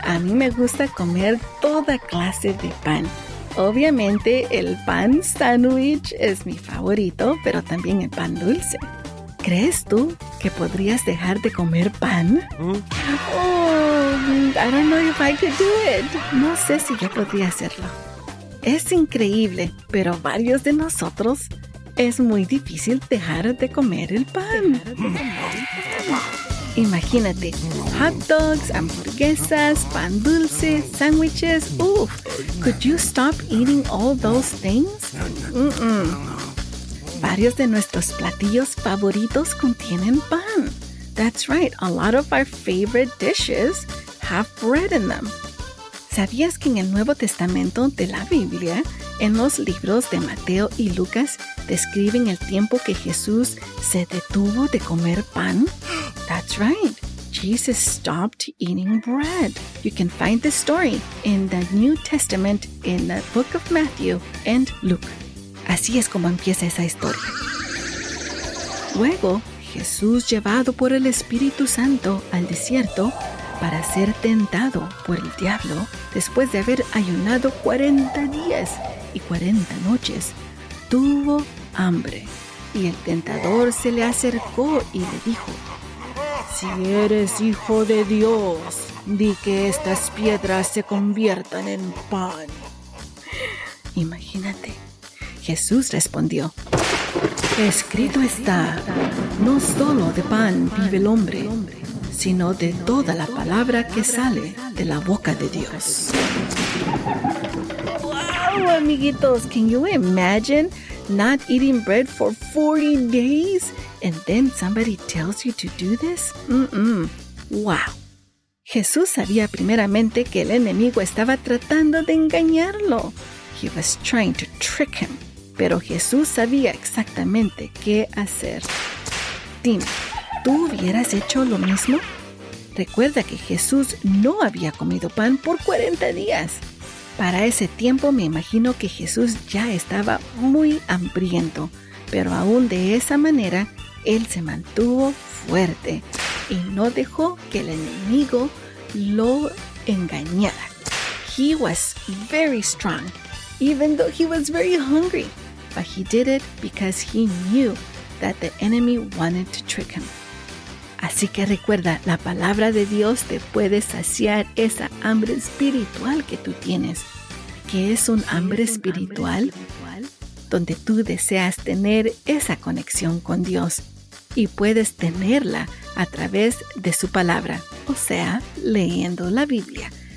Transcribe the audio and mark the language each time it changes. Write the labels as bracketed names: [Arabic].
[Spanish] A mí me gusta comer toda clase de pan. Obviamente, el pan sándwich es mi favorito, pero también el pan dulce. ¿Crees tú que podrías dejar de comer pan? [English] Oh, I don't know if I could do it. [Spanish] No sé si yo podría hacerlo. Es increíble, pero varios de nosotros es muy difícil dejar de comer el pan. Imagínate, [English] hot dogs, [Spanish] hamburguesas, pan dulce, sándwiches. Uf, [English] could you stop eating all those things? [Spanish] Varios de nuestros platillos favoritos contienen pan. [English] That's right, a lot of our favorite dishes have bread in them. ¿Sabías que en el Nuevo Testamento de la Biblia, en los libros de Mateo y Lucas, describen el tiempo que Jesús se detuvo de comer pan? That's right. Jesus stopped eating bread. You can find the story in the New Testament in the book of Matthew and Luke. [Spanish] Así es como empieza esa historia. Luego, Jesús llevado por el Espíritu Santo al desierto para ser tentado por el diablo, después de haber ayunado 40 días y 40 noches, tuvo hambre. Y el tentador se le acercó y le dijo, si eres hijo de Dios, di que estas piedras se conviertan en pan. Imagínate. Jesús respondió, escrito está, no solo de pan vive el hombre, sino de toda la palabra que sale de la boca de Dios. [English] Wow, [Spanish] amiguitos, [English] can you imagine not eating bread for 40 days? And then somebody tells you to do this? Wow. [Spanish] Jesús sabía primeramente que el enemigo estaba tratando de engañarlo. [English] He was trying to trick him. [Spanish] Pero Jesús sabía exactamente qué hacer. Dime, ¿tú hubieras hecho lo mismo? Recuerda que Jesús no había comido pan por 40 días. Para ese tiempo me imagino que Jesús ya estaba muy hambriento. Pero aún de esa manera, él se mantuvo fuerte y no dejó que el enemigo lo engañara. [English] He was very strong, even though he was very hungry. But he did it because he knew that the enemy wanted to trick him. [Spanish] Así que recuerda, la palabra de Dios te puede saciar esa hambre espiritual que tú tienes. ¿Qué es un hambre espiritual? Donde tú deseas tener esa conexión con Dios y puedes tenerla a través de su palabra, o sea, leyendo la Biblia.